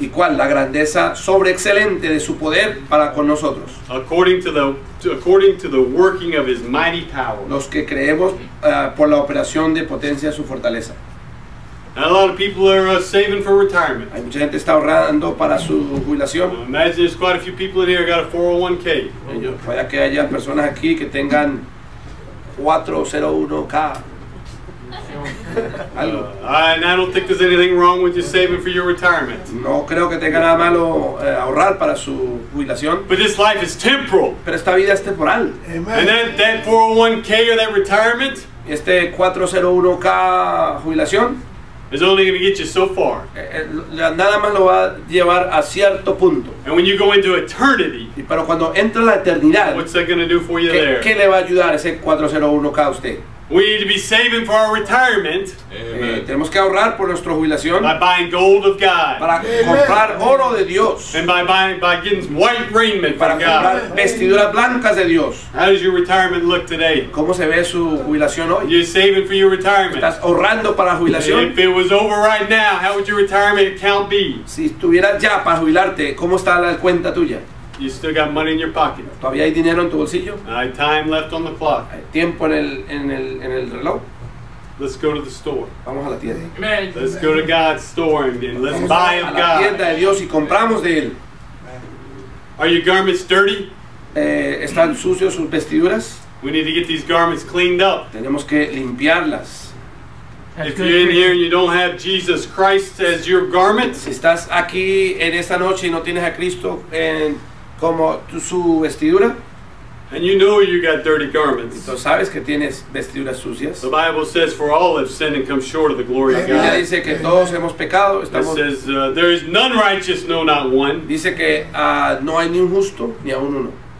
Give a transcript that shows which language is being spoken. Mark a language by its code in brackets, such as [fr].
[es] ¿Y cuál la grandeza sobreexcelente de su poder para con nosotros? [en] According to the working of his mighty power. [es] Los que creemos por la operación de potencia de su fortaleza. [en] A lot of people are saving for retirement. [es] Hay mucha gente está ahorrando para su jubilación. [en] Imagine there's quite a few people in here who got a 401k. [es] Puede que haya personas aquí que tengan 401k. [en] I don't think there's anything wrong with just saving for your retirement. [es] No creo que tenga nada malo ahorrar para su jubilación. [en] But this life is temporal. [es] Pero esta vida es temporal. [en] Amen. And that 401k or that retirement? [es] Este 401k jubilación. [en] It's only going to get you so far. [es] Nada más lo va a llevar a cierto punto. [en] And when you go into eternity, [es] pero cuando entra la eternidad, [en] what's that going to do for you there? [es] ¿Qué le va a ayudar ese 401k a usted? [en] We need to be saving for our retirement. [es] Tenemos que ahorrar por nuestra jubilación. [en] By buying gold of God. [es] Para comprar oro de Dios. [en] And by getting white raiment from God. [es] Para comprar vestiduras blancas de Dios. [en] How does your retirement look today? [es] ¿Cómo se ve su jubilación hoy? [en] You're saving for your retirement. [es] ¿Estás ahorrando para jubilación? [en] If it was over right now, how would your retirement account be? [es] Si estuvieras ya para jubilarte, ¿cómo está la cuenta tuya? [en] You still got money in your pocket. [es] ¿Todavía hay dinero en tu bolsillo? [en] I have time left on the clock. [es] Hay tiempo en el reloj. [en] Let's go to the store. [es] Vamos a la tienda. [en] Amen. Let's go to God's store and let's [es] Vamos [en] buy of God. [es] A la tienda de Dios y compramos de él. [en] Are your garments dirty? [es] ¿Están sucios sus vestiduras? [en] We need to get these garments cleaned up. [es] Tenemos que limpiarlas. [en] If you're in here and you don't have Jesus Christ as your garment, [es] si estás aquí en esta noche y no tienes a Cristo en como su vestidura. [en] And you know you got dirty garments. [es] Entonces sabes que tienes vestiduras sucias. [en] The Bible says for all have sinned and come short of the glory of God. [es] Dice que todos hemos pecado. Estamos. [en] It says there is none righteous, no, not one. [es] Dice que no hay ni un justo ni aun uno.